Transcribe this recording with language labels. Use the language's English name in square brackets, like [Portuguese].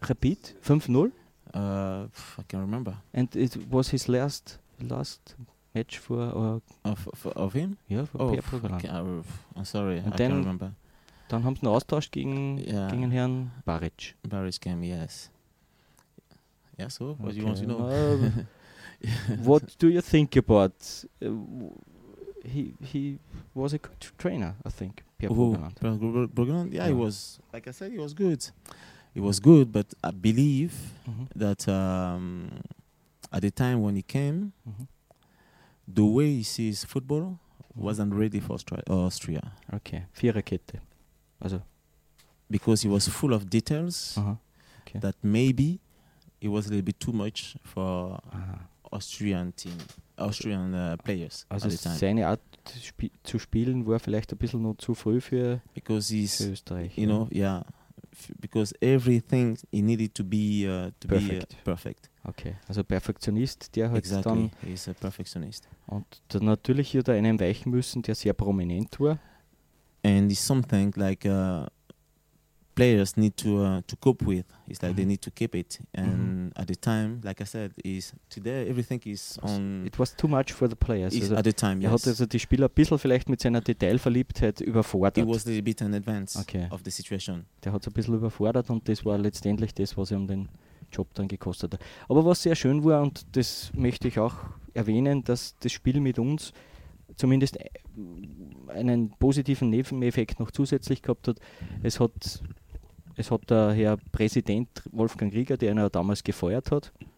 [English] Rapid 5-0. I can't remember. And it was his last match for of him? Yeah, for Per Progeland. I'm sorry, and I can't remember. [German] Dann haben sie einen Austausch gegen Herrn Baric. [English] Baric game, yes. Yeah, so what do you want to know? what do you think about he was a good trainer, I think. Progeland, yeah, he was, like I said, he was good. He was good, but I believe that at the time when he came, the way he sees football wasn't ready for Austria. [German] Okay, Viererkette. Also. [English] Because he was full of details that maybe it was a little bit too much for Austrian players also at the time. [German] Seine Art zu spielen war vielleicht ein bisschen noch zu früh für Österreich. [English] You know, yeah. Because everything he needed to be perfect. [German] Okay, also Perfektionist, der hat [English] exactly. [German] dann... [English] Exactly, he's a Perfektionist. [German] Und dann natürlich hat er einen weichen müssen, der sehr prominent war. [English] And it's something like players need to cope with. It's like they need to keep it. And at the time, like I said, is today everything is on... It was too much for the players. Also at the time, [German] er hat also die Spieler ein bisschen vielleicht mit seiner Detailverliebtheit überfordert. [English] It was a little bit in advance of the situation. [German] Der hat es ein bisschen überfordert und das war letztendlich das, was ihm den Job dann gekostet hat. Aber was sehr schön war, und das möchte ich auch erwähnen, dass das Spiel mit uns zumindest einen positiven Nebeneffekt noch zusätzlich gehabt hat. Es hat der Herr Präsident Wolfgang Rieger, der ihn ja damals gefeuert hat,